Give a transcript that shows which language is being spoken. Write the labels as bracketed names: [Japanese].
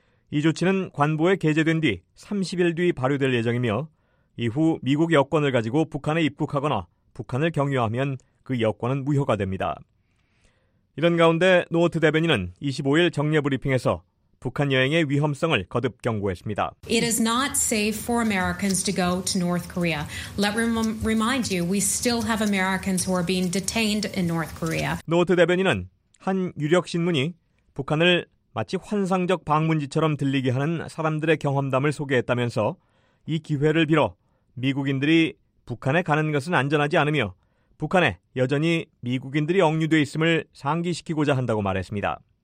[Korean] 이 조치는 관보에 게재된 뒤 30일 뒤 발효될 예정이며 이후 미국 여권을 가지고 북한에 입국하거나 북한을 경유하면 그 여권은 무효가 됩니다. 이런 가운데 노워트 대변인은 25일 정례 브리핑에서 북한 여행의 위험성을 거듭 경고했습니다. [English] It is not safe for Americans to go to North Korea. Let me remind you, we still have Americans who are being detained in North Korea. [Korean] 노워트 대변인은 한 유력 신문이 북한을 마치 환상적 방문지처럼 들리게 하는 사람들의 경험담을 소개했다면서 이 기회를 빌어 미국인들이 북한에 가는 것은 안전하지 않으며 북한에 여전히 미국인들이 억류돼 있음을 상기시키고자 한다고 말했습니다.